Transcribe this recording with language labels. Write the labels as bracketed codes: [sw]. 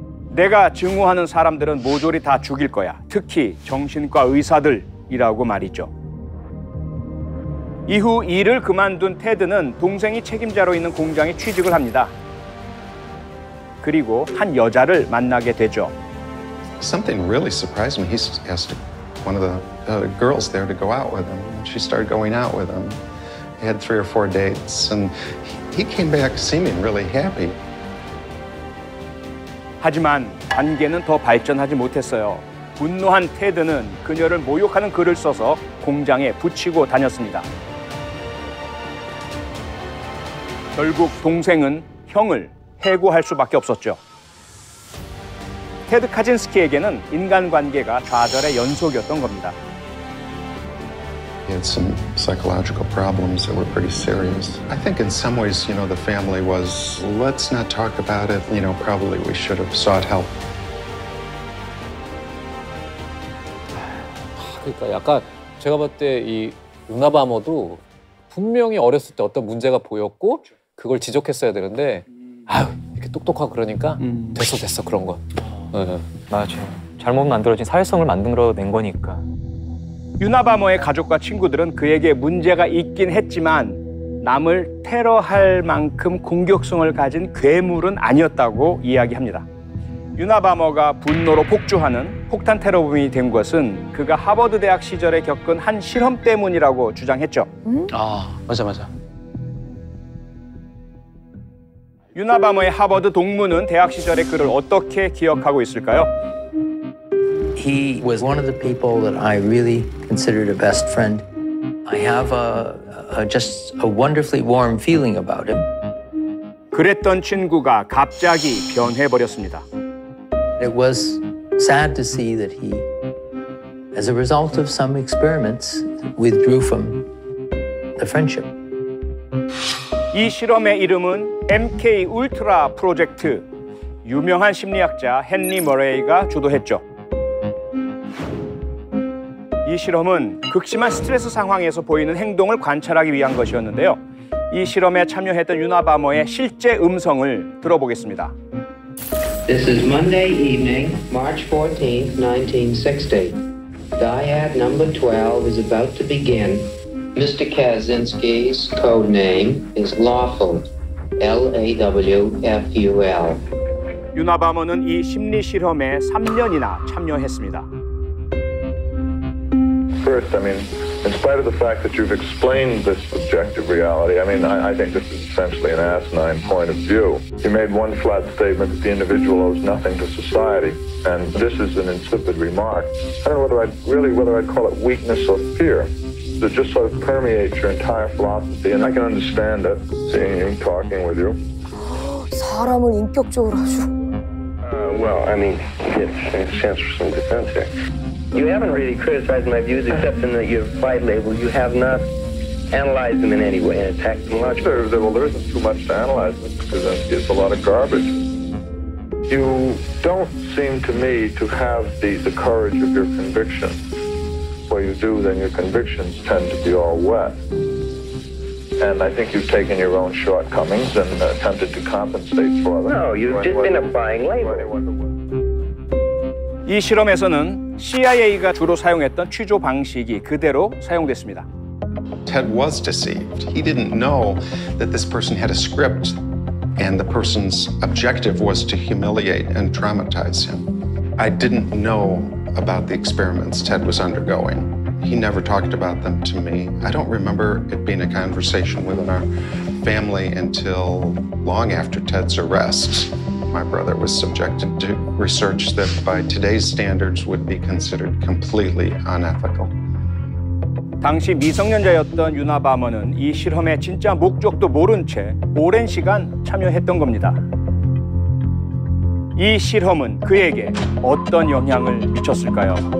[ko] 내가 증오하는 사람들은 모조리 다 죽일 거야. 특히 정신과 의사들이라고 말이죠. 이후 일을 그만둔 테드는 동생이 책임자로 있는 공장에 취직을 합니다. 그리고 한 여자를 만나게 되죠. [en] Something really surprised me. He asked one of the girls there to go out with him. She started going out with him. He had three or four dates, and he came back seeming really happy. [ko] 하지만 관계는 더 발전하지 못했어요. 분노한 테드는 그녀를 모욕하는 글을 써서 공장에 붙이고 다녔습니다. 결국 동생은 형을 해고할 수밖에 없었죠. 테드 카진스키에게는 인간관계가 좌절의 연속이었던 겁니다. [en] He had some psychological problems that were pretty serious. I think in some ways, you know, the family was, let's not talk about it. You know, probably we should have sought help. [ko] 그러니까 약간 제가 볼 때 이 루나 바머도 분명히 어렸을 때 어떤 문제가 보였고 그걸 지적했어야 되는데 아유 이렇게 똑똑하고 그러니까 됐어 됐어 그런 거. 맞아. 잘못 만들어진 사회성을 만들어낸 거니까. 유나바머의 가족과 친구들은 그에게 문제가 있긴 했지만 남을 테러할 만큼 공격성을 가진 괴물은 아니었다고 이야기합니다. 유나바머가 분노로 폭주하는 폭탄 테러범이 된 것은 그가 하버드 대학 시절에 겪은 한 실험 때문이라고 주장했죠. 아, 맞아 맞아. 유나바머의 하버드 동문은 대학 시절의 그를 어떻게 기억하고 있을까요? [en] He was one of the people that I really considered a best friend. I have just a wonderfully warm feeling about him. [ko] 그랬던 친구가 갑자기 변해버렸습니다. [en] It was sad to see that he, as a result of some experiments, withdrew from the friendship. [ko] 이 실험의 이름은 MK 울트라 프로젝트. 유명한 심리학자 헨리 머레이가 주도했죠. 이 실험은 극심한 스트레스 상황에서 보이는 행동을 관찰하기 위한 것이었는데요. 이 실험에 참여했던 유나바머의 실제 음성을 들어보겠습니다. [en] This is Monday evening, March 14th, 1960. Dyad number 12 is about to begin. Mr. Kaczynski's code name is Lawful. L-A-W-F-U-L. [ko] 유나바머는 이 심리 실험에 3년이나 참여했습니다. [en] First, I mean, in spite of the fact that you've explained this objective reality, I mean, I think this is essentially an asinine point of view. You made one flat statement that the individual owes nothing to society, and this is an insipid remark. I don't know whether I'd call it weakness or fear. It just sort of permeates your entire philosophy, and I can understand it, seeing you, talking with you. [ko] 사람을 인격적으로 아주. [en] Well, I mean, it stands for some defense here. You haven't really criticized my views except in that your flight label. You have not analyzed them in any way and attacked them logically. There isn't too much to analyze them because it's a lot of garbage. You don't seem to me to have the courage of your conviction. What you do, then your convictions tend to be all wet. And I think you've taken your own shortcomings and attempted to compensate for them. No, you've just been applying labels. [ko] 이 실험에서는 CIA가 주로 사용했던 취조 방식이 그대로 사용됐습니다. [en] Ted was deceived. He didn't know that this person had a script and the person's objective was to humiliate and traumatize him. I didn't know about the experiments Ted was undergoing. He never talked about them to me. I don't remember it being a conversation within our family until long after Ted's arrest. My brother was subjected to research that by today's standards would be considered completely unethical. [ko] 당시 미성년자였던 유나바머는 이 실험의 진짜 목적도 모른 채 오랜 시간 참여했던 겁니다. 이 실험은 그에게 어떤 영향을 미쳤을까요?